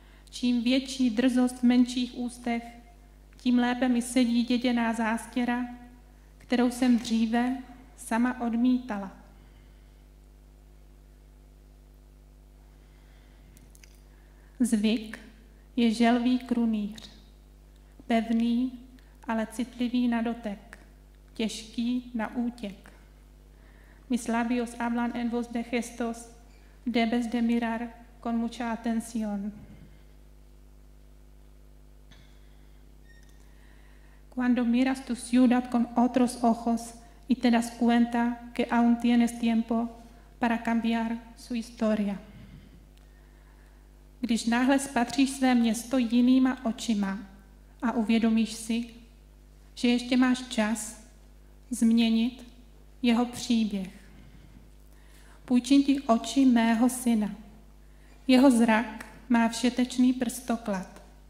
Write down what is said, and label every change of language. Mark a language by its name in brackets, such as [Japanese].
[Czech] Čím větší drzost v menších ústech, tím lépe mi sedí děděná zástěra, kterou jsem dříve sama odmítala. Zvyk je želvý krunýř, pevný, ale citlivý na dotek, těžký na útěk. [Spanish] Mis labios hablan en voz de gestos, debes de mirar con mucha atención. Cuando miras tu ciudad con otros ojos y te das cuenta que aún tienes tiempo para cambiar su historia. [Czech] Když náhle spatříš své město jinýma očima a uvědomíš si, že ještě máš čas změnit jeho příběh. Půjčím ti oči mého syna. Jeho zrak má všetečný prstoklad.